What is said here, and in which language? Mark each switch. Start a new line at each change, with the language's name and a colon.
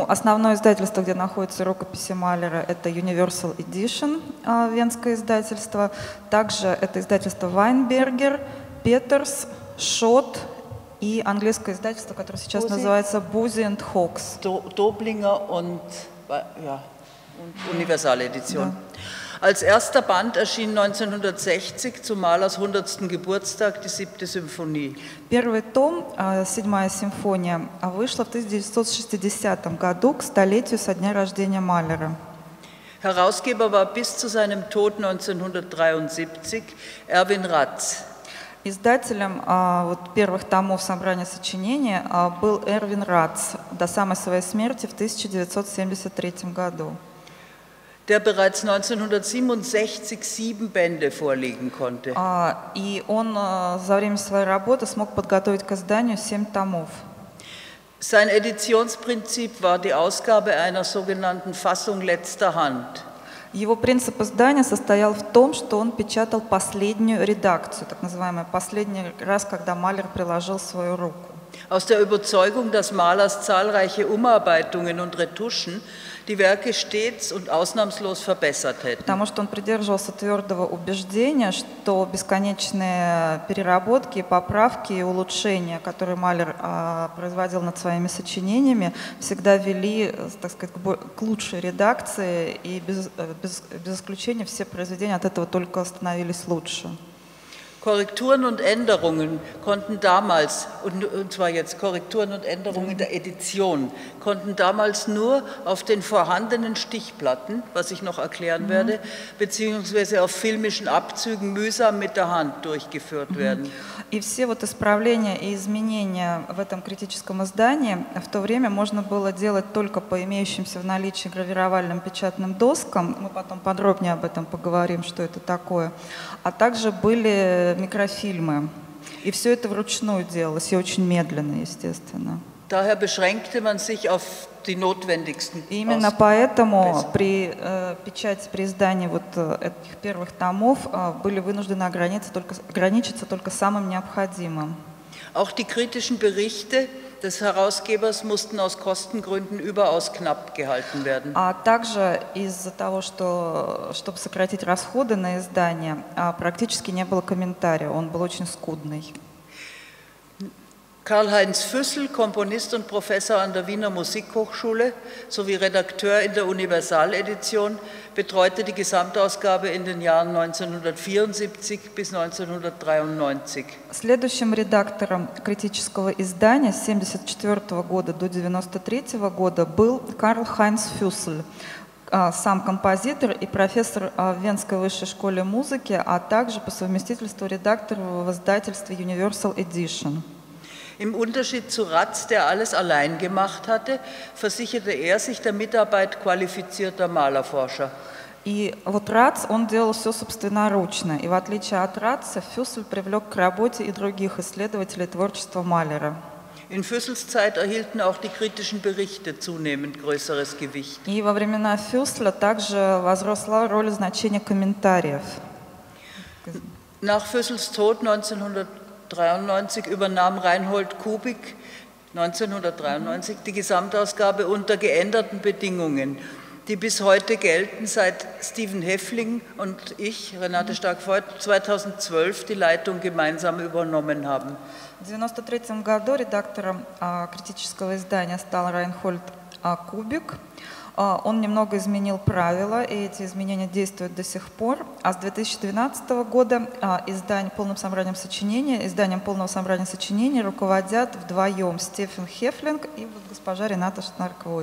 Russian: Ну, основное издательство, где находятся рукописи Малера, это Universal Edition, венское издательство. Также это издательство Weinberger, Peters, Schott и английское издательство, которое сейчас Busi, называется Busi and Hawks.
German: Doblinger und, ja, Universal Edition. Ja. Als erster Band erschien 1960 zu Mahlers 100. Geburtstag die siebte Symphonie.
Russian: Первый том, седьмая симфония, вышла в 1960 году к столетию со дня рождения Малера.
German: Herausgeber war bis zu seinem Tod 1973 Erwin Ratz.
Russian: Издателем вот первых томов собрания сочинений был Эрвин Ратц до самой своей смерти в 1973 году.
German: der bereits 1967 7 Bände vorlegen konnte.
Russian: И он за время своей работы смог подготовить к изданию 7 томов.
German: Sein Editionsprinzip war die Ausgabe einer sogenannten Fassung letzter Hand.
Russian: Его принцип издания состоял в том, что он печатал последнюю редакцию, так называемый последний раз, когда Малер приложил свою руку.
German: Aus der Überzeugung, dass Malers zahlreiche Umarbeitungen und Retuschen die Werke stets und ausnahmslos verbessert hätten.
Russian: Потому что он придерживался твердого убеждения, что бесконечные переработки, поправки и улучшения, которые Малер производил над своими сочинениями, всегда вели, так сказать, к лучшей редакции, и без исключения все произведения от этого только становились лучше.
German: Korrekturen und Änderungen konnten damals, und zwar jetzt Korrekturen und Änderungen der Edition, konnten damals nur auf den vorhandenen Stichplatten, was ich noch erklären werde, beziehungsweise auf filmischen Abzügen mühsam mit der Hand durchgeführt werden.
Russian: И все вот исправления и изменения в этом критическом издании в то время можно было делать только по имеющимся в наличии гравировальным печатным доскам, мы потом подробнее об этом поговорим, что это такое, а также были микрофильмы, и все это вручную делалось, и очень медленно, естественно.
German: Daher beschränkte man sich auf die notwendigsten.
Russian: И именно поэтому при печати, при издании вот этих первых томов были вынуждены ограничиться только самым необходимым.
German: Auch die kritischen Berichte des Herausgebers mussten aus Kostengründen überaus knapp gehalten werden.
Russian: А также из-за того, что чтобы сократить расходы на издание, практически не было комментария, он был очень скудный.
German: Karl-Heinz Füssel, Komponist und Professor an der Wiener Musikhochschule sowie Redakteur in der Universal-Edition, betreute die Gesamtausgabe in den Jahren 1974 bis 1993.
Russian: Следующим редактором критического издания с 1974 года до 1993 года был Карл-Хайнц Фюссель, сам композитор и профессор в Венской высшей школе музыки, а также по совместительству редактор в издательстве Universal Edition.
German: Im Unterschied zu Ratz, der alles allein gemacht hatte, versicherte er sich der Mitarbeit qualifizierter Malerforscher.
Russian: И вот Ратц, он делал все собственноручно, и в отличие от Ратца, Фюссель привлек к работе и других исследователей творчества Малера.
German: In Füssels Zeit erhielten auch die kritischen Berichte zunehmend größeres Gewicht.
Russian: И во времена Фюсселя также возросла роль значения комментариев.
German: Nach Füssels Tod 1993 übernahm Reinhold Kubik 1993 die Gesamtausgabe unter geänderten Bedingungen, die bis heute gelten, seit Stephen Häffling und ich, Renate Stark-Voigt, 2012 die Leitung gemeinsam übernommen haben.
Russian: В 1993 году редактором критического издания стал Reinhold Kubik. Он немного изменил правила, и эти изменения действуют до сих пор. А с 2012 года изданием полного собрания сочинений руководят вдвоем Стефан Хефлинг и вот госпожа Рената Шнарковой.